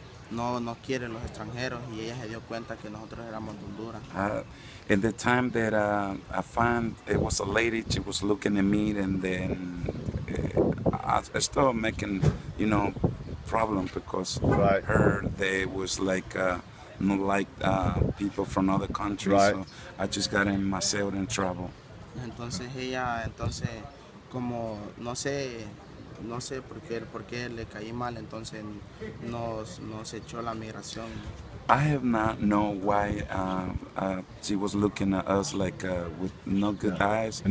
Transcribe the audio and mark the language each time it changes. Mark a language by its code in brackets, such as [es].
[es] no quieren los extranjeros, y ella se dio cuenta que nosotros éramos de Honduras. [en] In the time that I found, it was a lady, she was looking at me, and then I started making, you know, problem because right. her, they was like, not like people from other countries. Right. So I just got in myself in trouble. [es] Entonces ella, entonces, como, no sé por qué le caí mal, entonces nos echó la migración. [en] I have not know why she was looking at us like with no good eyes.